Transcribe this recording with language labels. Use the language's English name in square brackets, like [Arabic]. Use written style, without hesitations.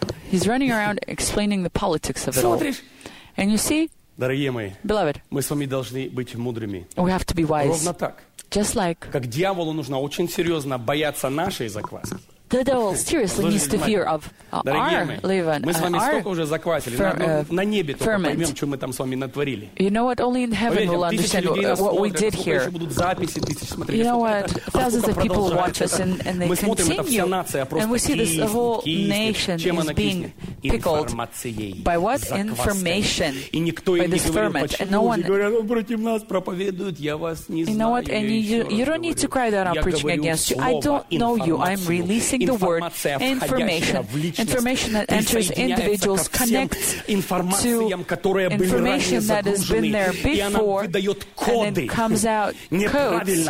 [English] He's running around explaining the politics of it [Russian] смотришь. [English] All. And you see? [Russian] Дорогие мои. [English] Beloved. [Russian] Мы с вами должны быть мудрыми. [English] We have to be wise. [Russian] Ровно так. [English] Just like [Russian] как дьяволу нужно очень серьезно бояться нашей закваски. [English] The devil seriously needs to fear of our leaven. [Russian] Мы с вами столько уже заквасили. На небе только поймем, что мы там с вами натворили. [English] You know what? Only in heaven we'll understand what we did here. [Russian] Будут записи, тысячи смотрели. [English] You know what? Thousands of people watch us and they continue. And we see this whole nation is being pickled by what information? [Russian] И никто им не говорит, почему? Говорят, против нас проповедуют, я вас не знаю. [English] You know what? And you don't need to cry that I'm preaching against you. I don't know you. I'm releasing the word, information that enters individuals connects to information that has been there before, and it comes out codes.